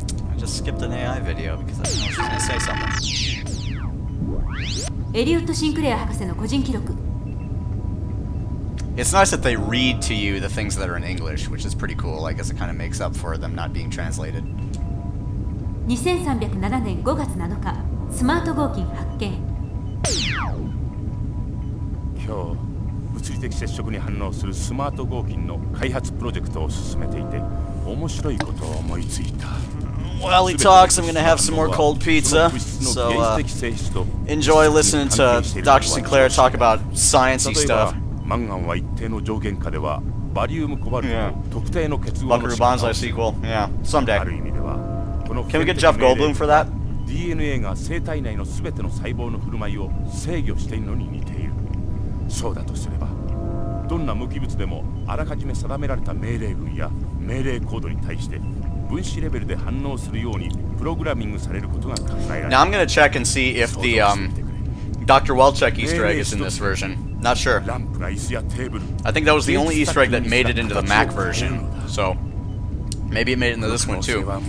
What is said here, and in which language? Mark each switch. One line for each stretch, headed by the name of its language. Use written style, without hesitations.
English: I just skipped an AI video because I didn't know she was going to say something.
Japanese: Elliot Sinclair 博士の個人記録。
English: It's nice that they read to you the things that are in English, which is pretty cool. I guess it kind of makes up for them not being translated.
Japanese: 2307年5月7日、スマート合金発見。今日、物理的接触に反応するスマート合金の開発プロジェクトを進めていて、面白いことを思いついた。
English: While he talks, I'm going to have some more cold pizza. So, enjoy listening to Dr. Sinclair talk about science-y stuff.
Japanese: マンガンは一定の条件下ではバリウムコバルトの特定の結合の進化をする。
English: Yeah. Someday.
Japanese: ある意味では、この
English: Can we get Jeff Goldblum for that?
Japanese: DNA が生体内のすべての細胞の振る舞いを制御しているのに似ている。そうだとすれば、どんな無機物でもあらかじめ定められた命令群や命令コードに対して分子レベルで反応するようにプログラミングされることが考えられる。
English: Now I'm gonna check and see if the Dr. Welchek Easter egg is in this version. Not sure. I think that was the only Easter egg that made it into the Mac version. So, maybe it made it into this one too.